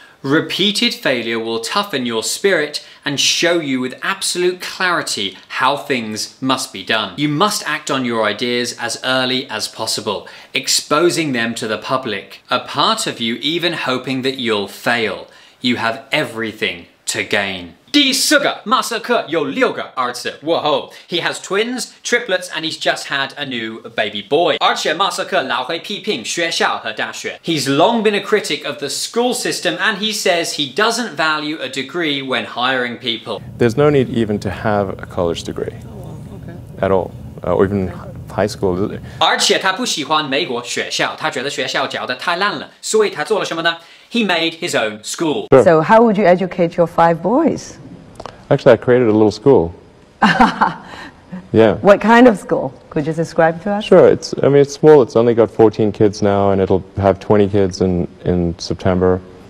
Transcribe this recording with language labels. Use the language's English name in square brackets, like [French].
[English] Repeated failure will toughen your spirit. And show you with absolute clarity how things must be done. You must act on your ideas as early as possible, exposing them to the public. A part of you even hoping that you'll fail. You have everything to gain. [Chinese] 第四个，马斯克有六个儿子。 [English] Whoa, he has twins, triplets, and he's just had a new baby boy. [Chinese] 而且马斯克老会批评学校和大学。 [English] He's long been a critic of the school system, and he says he doesn't value a degree when hiring people. There's no need even to have a college degree. At all, or even high school. [Chinese] 而且他不喜欢美国学校，他觉得学校教得太烂了，所以他做了什么呢？ [English] He made his own school. Sure. So how would you educate your five boys? Actually, I created a little school. Yeah. What kind of school? Could you describe to us? Sure. It's small. It's only got 14 kids now, and it'll have 20 kids in September.